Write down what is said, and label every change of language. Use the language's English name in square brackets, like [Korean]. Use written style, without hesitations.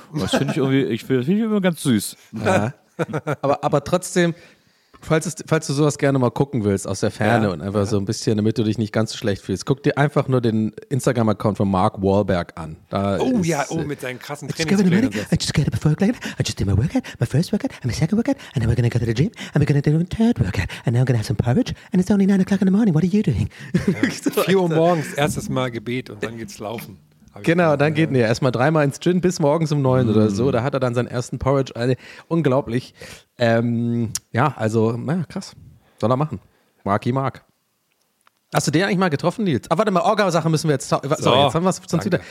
[German] Das finde ich irgendwie, find ich immer ganz süß. Ja. Aber trotzdem, falls du sowas gerne mal gucken willst aus der Ferne und einfach so ein bisschen, damit du dich nicht ganz so schlecht fühlst, guck dir einfach nur den Instagram-Account von Mark Wahlberg an. Da mit seinen krassen Trainingsplänen. [English] I just got up before 4 o'clock, I just did my workout, my first workout, and my second workout, and now we're gonna go to the gym, and we're gonna do a third workout, and now we're gonna have some porridge, and it's only 9 o'clock in the morning, what are you doing? [German] 4 Uhr morgens, erstes Mal Gebet und dann geht's laufen. Genau, dann geht mir erstmal dreimal ins Gym bis morgens um 9 oder so. Da hat er dann seinen ersten Porridge. Also, unglaublich. Krass. Soll er machen. Marky Mark. Hast du den eigentlich mal getroffen, Nils? Ah, warte mal, Orga-Sache müssen wir jetzt. Jetzt haben wir es sonst wieder.